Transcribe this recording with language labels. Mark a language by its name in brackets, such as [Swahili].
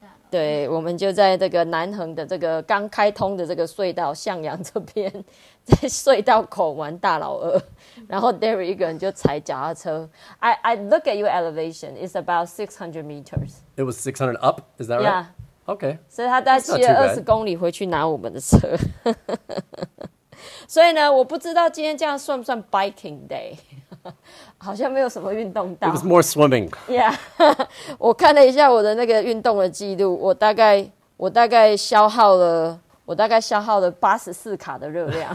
[Chinese] 对，我们就在这个南横的这个刚开通的这个隧道向阳这边，在隧道口玩大老二，然后 Derry 一个人就踩脚踏车。 [English] I look at your elevation, it's about 600 meters. It was 600 up, is that right? Yeah. Okay. [Chinese] 所以他大概骑了20公里回去拿我们的车。所以呢，我不知道今天这样算不算 biking day。好像没有什么运动到。 It was more swimming. Yeah， 我看了一下我的那个运动的记录，我大概消耗了84卡的热量。